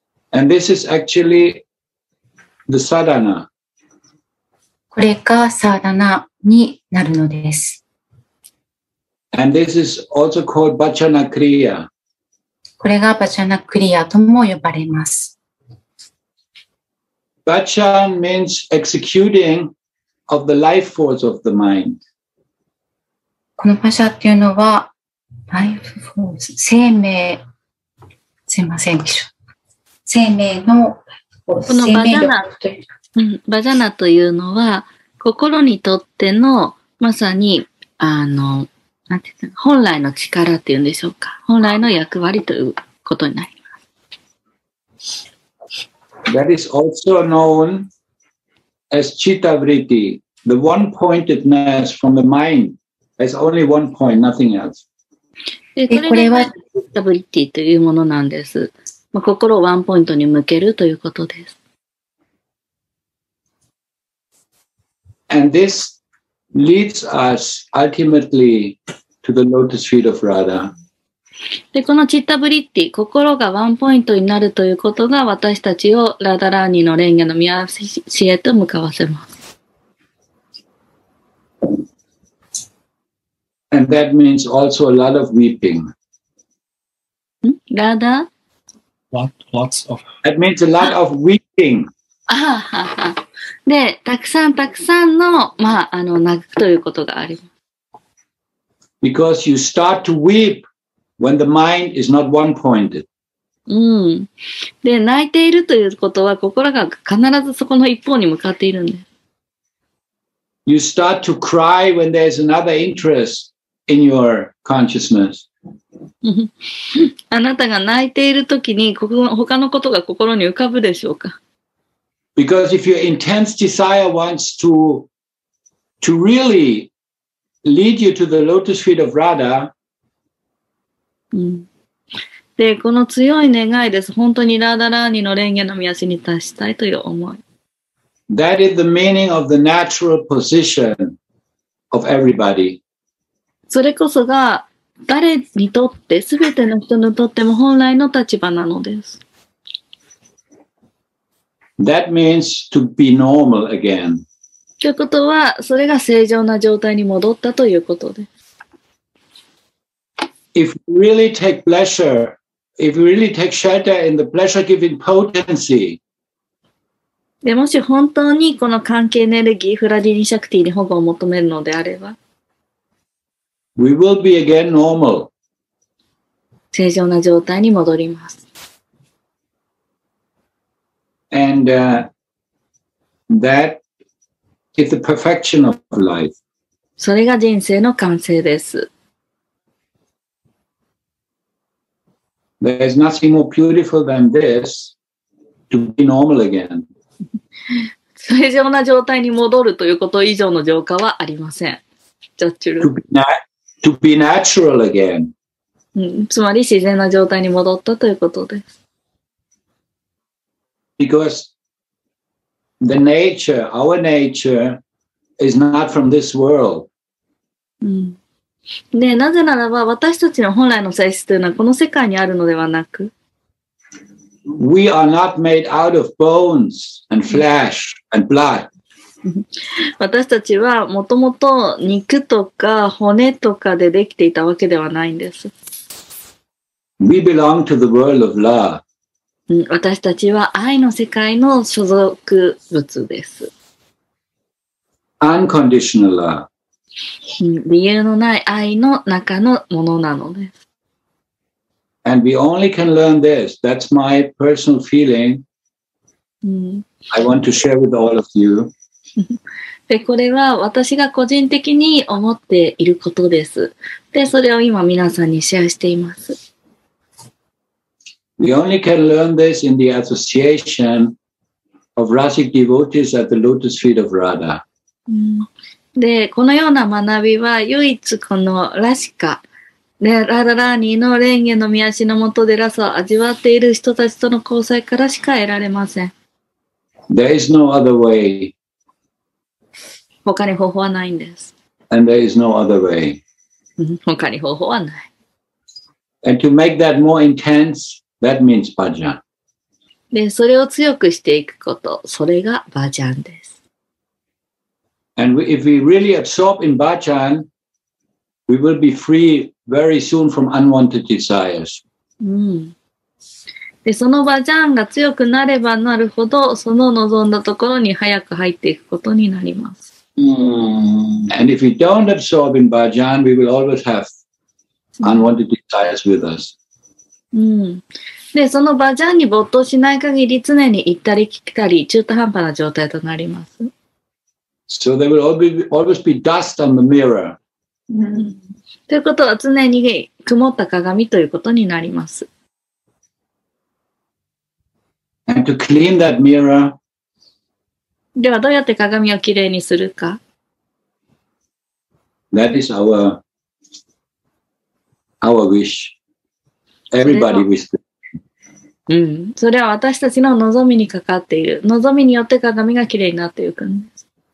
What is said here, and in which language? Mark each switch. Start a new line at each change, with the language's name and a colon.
English: And this is actually the sadhana.
Japanese: これがサーダナになるのです。
English: And this is also called バチャナクリア。
Japanese: これがバチャナクリアとも呼ばれます。
English: バチャン means executing of the life force of the mind.
Japanese: このバチャっていうのは、life force、生命、すいません、生命の、このバジャナという、バジャナというのは、心にとってのまさに本来の力っていうんでしょうか、本来の役割ということになります。
English: That is also known as citta vritti, the one-pointedness from the mind. There's only one point, nothing else.
Japanese: これは citta vritti というものなんです。まあ、心をワンポイントに向けるということです。
English: And this leads us ultimately to the lotus feet of Radha.
Japanese: で、この citta vritti、心がワンポイントになるということが私たちをラダラーニの蓮華の宮市へと向かわせます。
English: And that means also a lot of weeping.
Japanese: ラダー
English: Lots of. That means a lot of weeping.
Japanese: で、たくさんたくさんの、まあ、泣くということがあります。
English: Because you start to weep when the mind is not one-pointed.
Japanese: うん。で、泣いているということは心が必ずそこの一方に向かっているんです。
English: You start to cry when there's another interest in your consciousness.
Japanese: あなたが泣いているときに他のことが心に浮かぶでしょうか。
English: Because if your intense desire wants to really lead you to the lotus feet of Radha、
Japanese: で、この強い願いです。本当にラーダラーニの蓮華の宮市に達したいという思い。
English: That is the meaning of the natural position of everybody.
Japanese: それこそが誰にとって、すべての人にとっても本来の立場なのです。
English: That means to be normal again.
Japanese: ということは、それが正常な状態に戻ったということです。
English: If we really take pleasure, if we really take shelter in the pleasure-giving potency,
Japanese: でもし本当にこの関係エネルギー、フラディニシャクティに保護を求めるのであれば、
English: We will be again normal.
Japanese: 正常な状態に戻ります。
English: And, that is the perfection of life.
Japanese: それが人生の完成です。
English: There is nothing more beautiful than this, to be normal again.
Japanese: 正常な状態に戻るということ以上の浄化はありません。ジャッチュル。
English: To be not. To be natural again.
Japanese: つまり自然な状態に戻ったということです。
English: Because the nature, our nature, is not from this world.
Japanese: で、なぜならば私たちの本来の性質というのはこの世界にあるのではなく、
English: We are not made out of bones and flesh and blood.
Japanese: 私たちはもともと肉とか骨とかでできていたわけではないんです。
English: We belong to the world of love.
Japanese: 私たちは愛の世界の所属物です。
English: Unconditional love.
Japanese: 理由のない愛の中のものなのです。
English: And we only can learn this. That's my personal feeling. I want to share with all of you.
Japanese: でこれは私が個人的に思っていることです。で、それを今皆さんにシェアしています。
English: We only can learn this in the association of Rasic devotees at the lotus feet of Radha.
Japanese: で、このような学びは唯一このラシカ、ね、ラダラーニの蓮華の宮市のもとでラスを味わっている人たちとの交際からしか得られません。
English: There is no other way.
Japanese: 他に方法はないんです。
English: And there is no other way.
Japanese: 他に方法はない。
English: And to make that more intense, that means bhajan.
Japanese: で、それを強くしていくこと、それがバジャンです。
English: And we, if we really absorb in bhajan, we will be free very soon from unwanted desires.
Japanese: で、そのバジャンが強くなればなるほど、その望んだところに早く入っていくことになります。
English: And if we don't absorb in bhajan, we will always have unwanted desires with us.
Japanese: で、そのバジャンに没頭しない限り、常に行ったり来たり、中途半端な状態となります。
English: So there will always be dust on the mirror.
Japanese: ということは常に曇った鏡ということになります。
English: And to clean that mirror,
Japanese: ではどうやって鏡をきれいにするか。
English: That is our wish. Everybody wish
Japanese: うん、それは私たちの望みにかかっている。望みによって鏡がきれいになっていくんです。